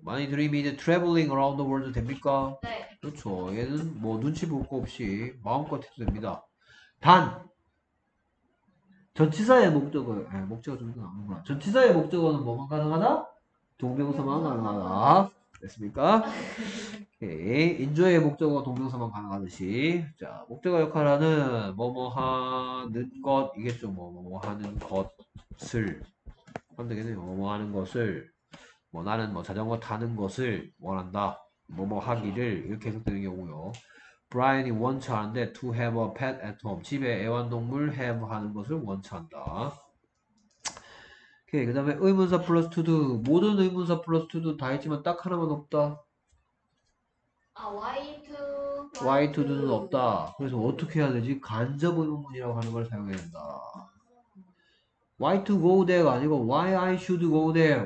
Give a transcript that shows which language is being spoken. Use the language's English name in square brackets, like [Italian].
[English] my dream is traveling around the world 됩니까? [Korean] 네. 그렇죠. 얘는 뭐 눈치 볼 거 없이 마음껏 해도 됩니다. 단 전치사의 목적은 목적은 좀 나오는구나. 전치사의 목적은 뭐만 가능하다? 동명사만 가능하다. 됐습니까? 오케이. 인조의 목적어 동명사만 가능하듯이 자 목적어 역할하는 뭐뭐 하는 것이겠죠. 뭐뭐 하는 것을 하면 되겠네요. 뭐뭐 하는 것을 뭐 나는 뭐 자전거 타는 것을 원한다. 뭐뭐 하기를 이렇게 해석되는 경우요. 브라이언이 원치 하는데 [English] to have a pet at home [Korean] 집에 애완동물 have 하는 것을 원치 한다. 오케이. 그 다음에 의문사 플러스 투두 모든 의문사 플러스 투두 다 했지만 딱 하나만 없다. 아, why to? why to는 없다. 그래서 어떻게 해야 되지? 간접 의문문이라고 하는 걸 사용해야 된다. [English] why to go there가 아니고 why I should go there.